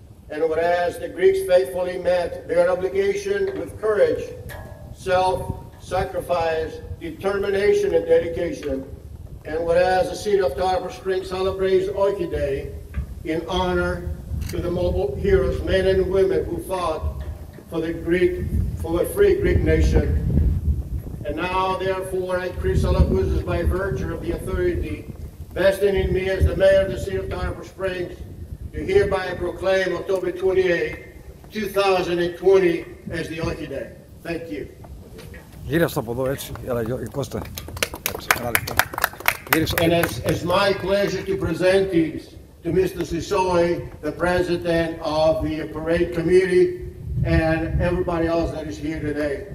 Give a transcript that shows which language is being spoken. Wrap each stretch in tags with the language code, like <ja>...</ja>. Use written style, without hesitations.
<en>And whereas the Greeks faithfully met their obligation with courage, self-sacrifice, determination, and dedication, and whereas the city of Tarpon Springs celebrates Oiki Day in honor to the mobile heroes, men and women who fought for the Greek, for a free Greek nation. And now, therefore, I, Chris Alakouzis, by virtue of the authority vested in me as the mayor of the city of Tarpon Springs, do hereby proclaim October 28, 2020 as the Oiki Day. Thank you.</en> <el>Γύρισα από εδώ, έτσι, έλα, Κώστα. Έτσι, ένα λεπτό.</el> <en>And it's my pleasure to present this to Mr. Sisoy, the president of the parade committee, and everybody else that is here today.</en>